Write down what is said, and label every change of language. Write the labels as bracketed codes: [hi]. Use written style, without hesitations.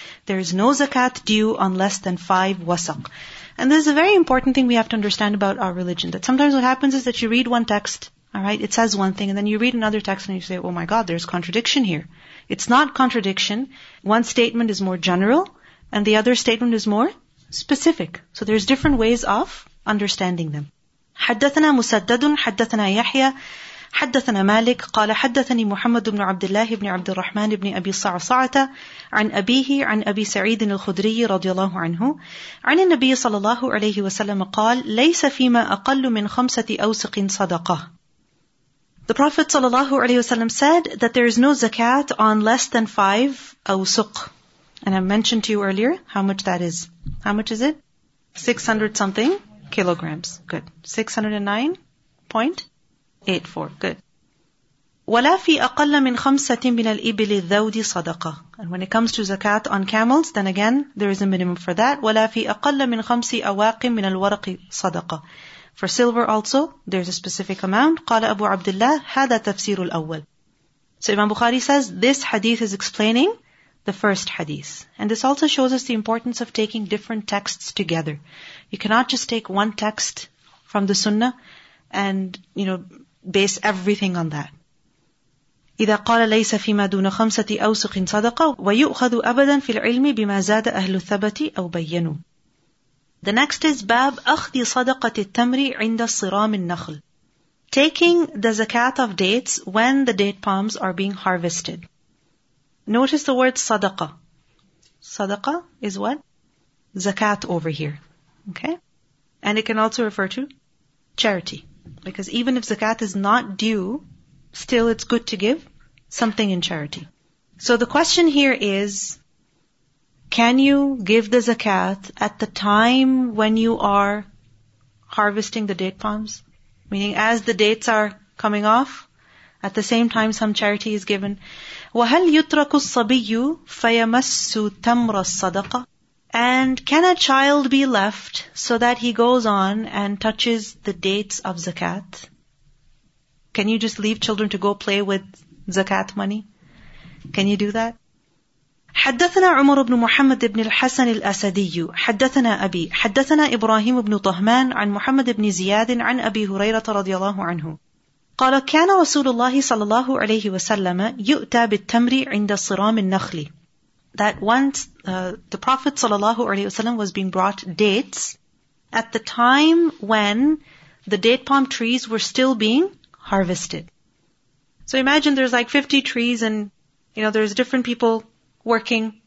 [en] There is no zakat due on less than 5 wasaq. And this is a very important thing we have to understand about our religion, that sometimes what happens is that you read one text, all right, it says one thing, and then you read another text and you say, oh my God, there's contradiction here. It's not contradiction. One statement is more general, and the other statement is more specific. So there's different ways of understanding them. [ar] حدثنا مسدد حدثنا يحيى حدثنا مالك قال حدثني محمد بن عبد الله بن عبد الرحمن بن أبي صعصعة عن أبيه عن أبي سعيد الخدري رضي الله عنه عن النبي صلى الله عليه وسلم قال ليس فيما أقل من خمسة أوسق صدقة. [en] The Prophet sallallahu alayhi wasallam said that there is no zakat on less than 5 awsuq. And I mentioned to you earlier how much that is. How much is it? 600 something kilograms. Good. 609.84. Good. [ar] وَلَا فِي أَقَلَّ مِنْ خَمْسَةٍ مِنَ الْإِبِلِ الذَّوْدِ صَدَقَةً. [en] And when it comes to zakat on camels, then again, there is a minimum for that. [ar] وَلَا فِي أَقَلَّ مِنْ خَمْسِ أَوَاقٍ مِنَ الْوَرَقِ صَدَقَةً. [en] For silver also, there's a specific amount. [ar] قال أبو عبد الله هذا تفسير الأول. [en] So Imam Bukhari says, this hadith is explaining the first hadith. And this also shows us the importance of taking different texts together. You cannot just take one text from the sunnah and, you know, base everything on that. [ar] إذا قال ليس فيما دون خمسة أوسق صدقة ويؤخذ أبدا في العلم بما زاد أهل الثبت أو بينوا. [en] The next is [ar] Bab أخذي صدقة التمر عند صرام النخل. [en] Taking the zakat of dates when the date palms are being harvested. Notice the word صدقة. صدقة is what? Zakat over here. Okay? And it can also refer to charity. Because even if zakat is not due, still it's good to give something in charity. So the question here is, can you give the zakat at the time when you are harvesting the date palms? Meaning as the dates are coming off, at the same time some charity is given. [ar] وَهَلْ يُتْرَكُ الصَّبِيُّ فَيَمَسُّ تَمْرَ الصَّدَقَةِ. [en] And can a child be left so that he goes on and touches the dates of zakat? Can you just leave children to go play with zakat money? Can you do that? [ar] حدثنا عمر بن محمد بن الحسن الأسدي حدثنا أبي حدثنا إبراهيم بن طهمان عن محمد بن زياد عن أبي هريرة رضي الله عنه قال كان رسول الله صلى الله عليه وسلم يؤتى بالتمر عند صرام النخل. [en] That once the Prophet [ar] صلى الله عليه وسلم [en] was being brought dates at the time when the date palm trees were still being harvested. So imagine there's like 50 trees and you know there's different people working.